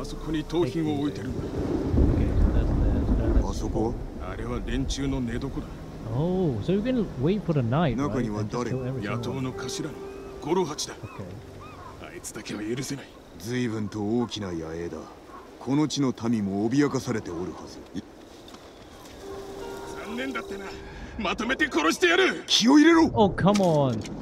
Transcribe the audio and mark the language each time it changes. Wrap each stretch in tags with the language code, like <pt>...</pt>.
<ja>あそこに盗品を置いてるんだ。あそこ？あれは連中の寝床だ。</ja> <en>Oh, so you can wait for the night.</en> <ja>中には誰？野党の頭の五郎八だ。</ja> <en>Okay.</en> <ja>あいつだけは許せない。随分と大きな野営だ。この地の民も脅かされておるはず。残念だってな。まとめて殺してやる。気を入れろ。</ja> <en>Oh, come on.</en>